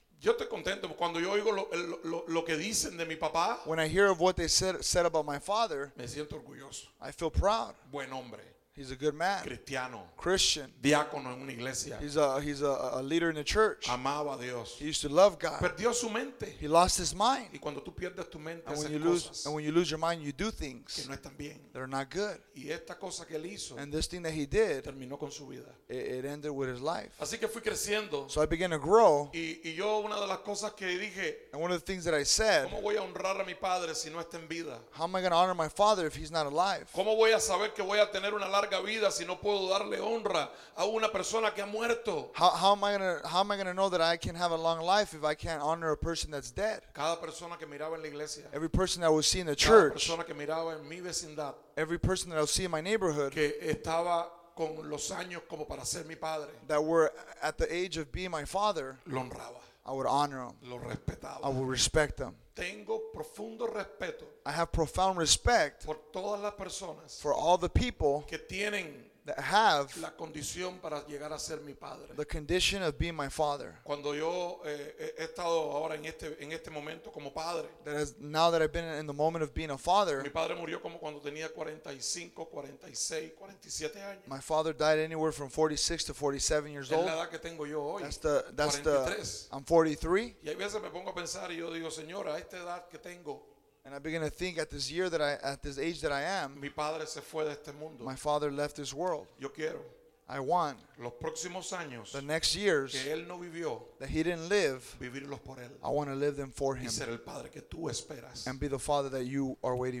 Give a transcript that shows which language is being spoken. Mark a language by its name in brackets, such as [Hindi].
[Spanish] Yo estoy contento cuando yo oigo lo que dicen de mi papá. [English] When I hear of what they said about my father, [Spanish] me siento orgulloso. [English] I feel proud. [Spanish] Buen hombre. [English] He's a good man. [Spanish] Cristiano. [English] Christian. [Spanish] Diácono en una iglesia. [English] He's a leader in the church. [Spanish] Amaba a Dios. [English] He used to love God. [Spanish] Perdió su mente. [English] He lost his mind. [Spanish] Y cuando tú pierdes tu mente, [English] and when you lose your mind, you do things [Spanish] que no están bien, [English] that are not good. [Spanish] Y esta cosa que él hizo, [English] and this thing that he did, [Spanish] terminó con su vida. [English] It ended with his life. [Spanish] Así que fui creciendo, [English] so I began to grow. [Spanish] Y yo, una de las cosas que dije, [English] and one of the things that I said, [Spanish] ¿cómo voy a honrar a mi padre si no está en vida? [English] How am I going to honor my father if he's not alive? [Spanish] ¿Cómo voy a saber que voy a tener una larga vida si no puedo darle honra a una persona que ha muerto? [English] How am I gonna know that I can have a long life if I can't honor a person that's dead? [Spanish] Cada persona que miraba en la iglesia, [English] every person that I would see in the church, [Spanish] cada persona que miraba en mi vecindad, [English] every person that I would see in my neighborhood, [Spanish] que estaba con los años como para ser mi padre, [English] that were at the age of being my father, [Spanish] lo honraba. [English] I would honor them. [Spanish] Lo respetaba. [English] I would respect them. [Spanish] Tengo profundo respeto. [English] I have profound respect [Spanish] por todas las personas, [English] for all the people [Spanish] que tienen, [English] that have [Spanish] la condición para llegar a ser mi padre, [English] the condition of being my father. [Spanish] Cuando yo he estado ahora en este momento como padre, [English] that is, now that I've been in the moment of being a father, [Spanish] mi padre murió como cuando tenía 45, 46, 47 años. [English] My father died anywhere from 46 to 47 years old. [Spanish] Es la edad que tengo yo hoy. [English] I'm 43. [Spanish] Y hay veces me pongo a pensar y yo digo, Señor, a esta edad que tengo, [English] and I begin to think at this age that I am, [Spanish] mi padre se fue de este mundo. [English] My father left this world. [Spanish] Yo quiero. [English] I want [Spanish] los próximos años, [English] the next years [Spanish] que él no vivió, [English] that he didn't live, [Spanish] vivirlos por él. [English] I want to live them for him. [Spanish] Y ser el padre que tú esperas, [English] and be the father that you are waiting